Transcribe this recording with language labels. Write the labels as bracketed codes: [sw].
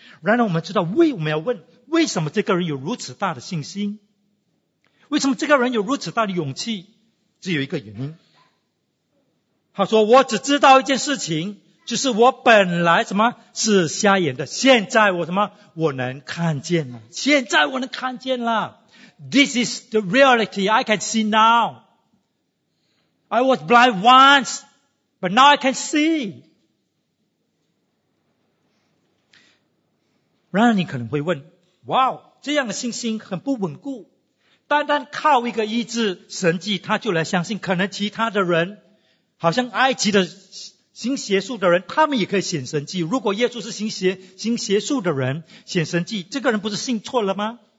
[zh] 然而我们知道，我们要问，为什么这个人有如此大的信心？为什么这个人有如此大的勇气？只有一个原因，他说，我只知道一件事情，就是我本来什么是瞎眼的，现在我什么我能看见了，现在我能看见了。 [en] This is the reality, I can see now. I was blind once, but now I can see. [zh] 然而你可能会问，哇，这样的信心很不稳固，单单靠一个医治神迹他就来相信，可能其他的人好像埃及的行邪术的人，他们也可以显神迹。如果耶稣是行邪术的人显神迹，这个人不是信错了吗？